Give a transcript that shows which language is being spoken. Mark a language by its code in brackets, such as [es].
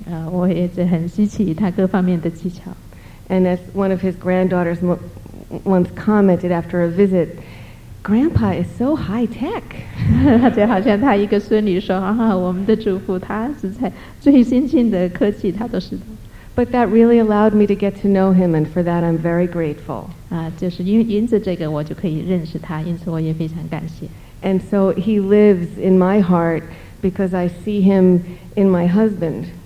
[zh] 我也很稀奇他各方面的技巧。And [en] as one of his granddaughters once commented after a visit, Grandpa is so high-tech. [zh] 就好像他一个孙女说，我们的祖父他是在最先进的科技，他都是的。 [en] But that really allowed me to get to know him, and for that I'm very grateful. [zh] 就是因此这个我就可以认识他，因此我也非常感谢。 [en] And so he lives in my heart because I see him in my husband.